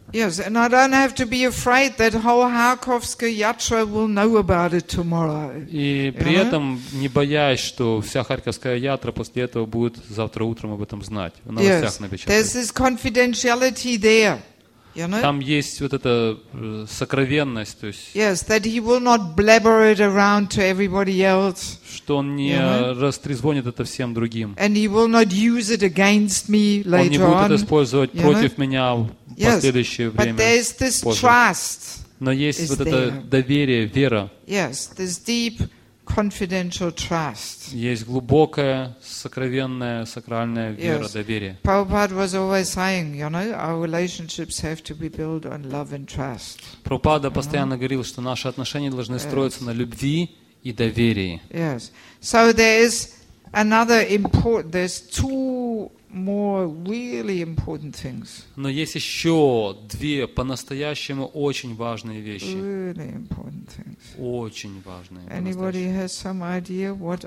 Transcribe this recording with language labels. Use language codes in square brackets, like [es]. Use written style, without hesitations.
[en] Yes, and I don't have to be afraid that whole Kharkovskaya Yatra will know about it tomorrow. [ru] И при этом не боясь, что вся Харьковская Ятра после этого будет завтра утром об этом знать. В новостях напечатать. [en] Yes, there's this confidentiality there. You know? [ru] Там есть вот эта сокровенность, то есть. [en] Yes, that he will not blabber it around to everybody else. [ru] Что он не растрезвонит это всем другим. [en] And he will not use it against me later on. [ru] Он не будет это использовать против меня в последующее время. [en] But there's this trust. [ru] Но есть вот это доверие, вера. [en] Yes, this deep confidential trust. [ru] Есть глубокая, сокровенная, сакральная вера, доверие. [en] Prabhupada was always saying, you know, our relationships have to be built on love and trust. [ru] Прабхупада постоянно говорил, что наши отношения должны строиться на любви и доверии. [en] Yes. So there is another important, there's two more really important things. [ru] Но есть еще две по-настоящему очень важные вещи. [en] Really important things. [ru] Очень важные. [en] Anybody has some idea what